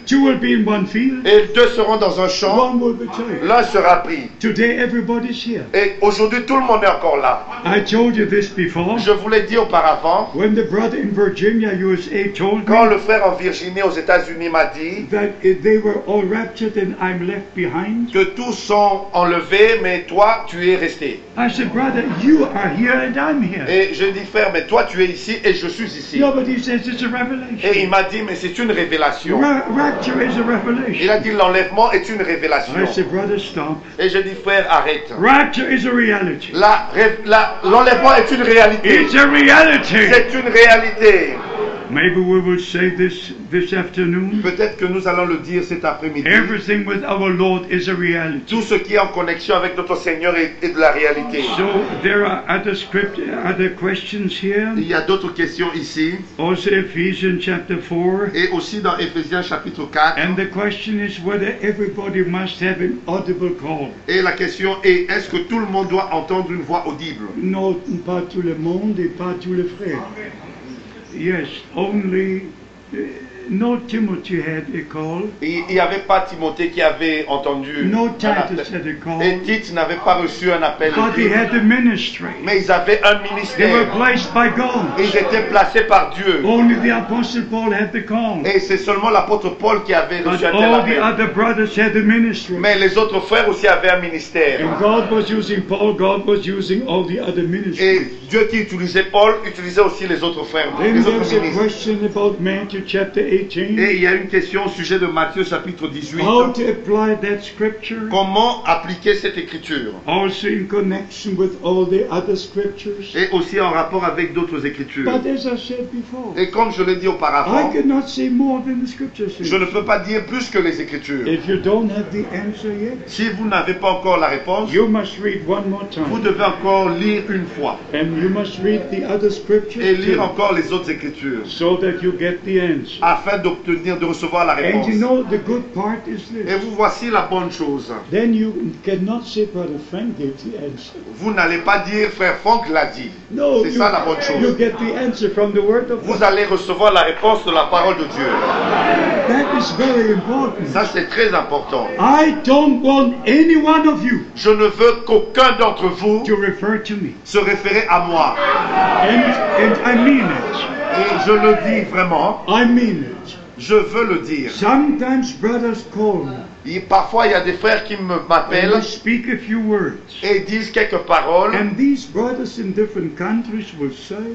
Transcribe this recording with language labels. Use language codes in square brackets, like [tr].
[en] Two will be in one field. [fr] Et deux seront dans un champ. [en] One will be taken. [fr] L'un sera pris. [en] Today everybody's here. [fr] Et aujourd'hui, tout le monde est encore là. [en] I told you this before. [fr] Je vous l'ai dit auparavant. [en] When the brother in Virginia, USA, told me, [fr] quand le frère en Virginie aux États-Unis m'a dit [en] that they were all raptured and I'm left behind, [fr] que tous sont enlevés, mais toi, tu es resté. [en] I said, brother, you are here and I'm here. [fr] Et je dis, frère, mais toi tu es ici et je suis ici. [en] No, but he says it's a revelation. [fr] Et il m'a dit, mais c'est une révélation. [en] Rapture is a revelation. [fr] Il a dit, l'enlèvement est une révélation. [en] I said, brother, stop. [fr] Et je dis, frère, arrête. [en] Rapture is a reality. [fr] L'enlèvement est une réalité. [en] It's a reality. [fr] C'est une réalité. [en] Maybe we will say this afternoon. [fr] Peut-être que nous allons le dire cet après-midi. [en] Everything with our Lord is a reality. [fr] Tout ce qui est en connexion avec notre Seigneur est de la réalité. [en] So there are other questions here. [fr] Il y a d'autres questions ici. [en] Also Ephesians chapter 4. [fr] Et aussi dans Ephésiens chapitre 4. [en] And the question is whether everybody must have an audible call. [fr] Et la question est, est-ce que tout le monde doit entendre une voix audible? Non, pas tout le monde et pas tous les frères. [en] Yes, only no Timothy had a call. [fr] Il n'y avait pas Timothée qui avait entendu. [en] No Titus had a call. [fr] Et Tite n'avait pas reçu un appel. [en] But they had a ministry. [fr] Mais ils avaient un ministère. [en] They were placed by God. [fr] Ils étaient placés par Dieu. [en] Only the apostle Paul had the call. [fr] Et c'est seulement l'apôtre Paul qui avait reçu un appel. [en] All the other brothers had a ministry. [fr] Mais les autres frères aussi avaient un ministère. [en] And God was using Paul. God was using all the other ministries. [fr] Dieu qui utilisait Paul utilisait aussi les autres frères, les [en] then [fr] autres ministres. [en] A question about Matthew chapter 18. [fr] Et il y a une question au sujet de Matthieu chapitre 18. [en] How to apply that scripture? [fr] Comment appliquer cette écriture? [en] Also in connection with all the other scriptures. [fr] Et aussi en rapport avec d'autres écritures. [en] But as I said before, [fr] et comme je l'ai dit auparavant, [en] I cannot say more than the scripture says. [fr] Je ne peux pas dire plus que les écritures. [en] If you don't have the answer yet, [fr] si vous n'avez pas encore la réponse, [en] you must read one more time. [fr] Vous devez encore lire une fois. [en] And you must read the other scriptures [fr] et lire encore les autres écritures [en] so that you get the answer. [fr] Afin d'obtenir, de recevoir la réponse. [en] And you know, the good part is this. [fr] Et vous voici la bonne chose. [en] Then you cannot say, Brother Frank gave the answer. [fr] Vous n'allez pas dire, frère Frank l'a dit. [en] No, [fr] c'est ça la bonne chose. [en] You get the answer from the word of God. [fr] Vous allez recevoir la réponse de la parole de Dieu. [en] That is very important. [fr] Ça, c'est très important. [en] I don't want any one of you. [fr] Je ne veux qu'aucun d'entre vous [en] to refer to me. [fr] Se référer à moi. [en] And I mean it. [fr] Et je le dis vraiment. [en] I mean it. [fr] Je veux le dire. [en] Sometimes brothers call me. [fr] Et parfois, il y a des frères qui m'appellent [en] and they speak a few words. [fr] Et disent quelques paroles. [en] And these brothers in different countries will say,